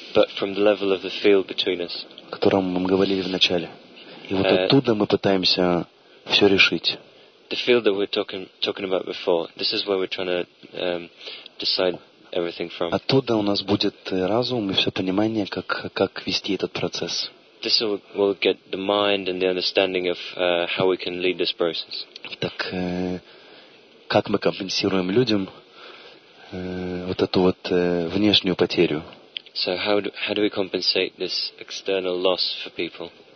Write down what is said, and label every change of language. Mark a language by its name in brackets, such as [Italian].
[English] But from the level of the field between us. [Russian] О котором мы говорили в начале. И вот оттуда мы пытаемся все решить. [English] The field that we're talking about before, this is where we're trying to decide everything from. [Russian] Оттуда у нас будет разум и все понимание, как вести этот процесс. [English] This will get the mind and the understanding of how we can lead this process. [Russian] Так как мы компенсируем людям вот эту вот внешнюю потерю? [English] So how do we compensate this external loss for people?